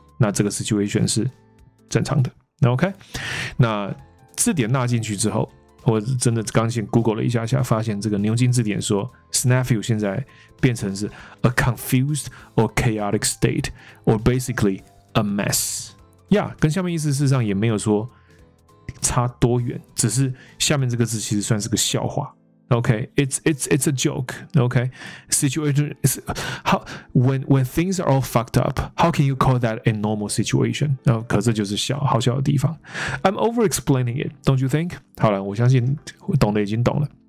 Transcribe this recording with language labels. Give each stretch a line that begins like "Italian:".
Chinese: 那这个 situation 是正常的。OK， 那字典纳进去之后，我真的刚先 Google 了一下下，发现这个牛津字典说 snafu 现在变成是
English: a confused or chaotic state or basically a mess。
Chinese: Yeah， 跟下面意思事实上也没有说差多远，只是下面这个字其实算是个笑话。
English: Okay， it's a joke。 Okay， situation is how when things are all fucked up， how can you call that a normal situation？
Chinese: 然后可这就是笑，好笑的地方。
English: I'm over explaining it， don't you think？
Chinese: 好了，我相信我懂的已经懂了。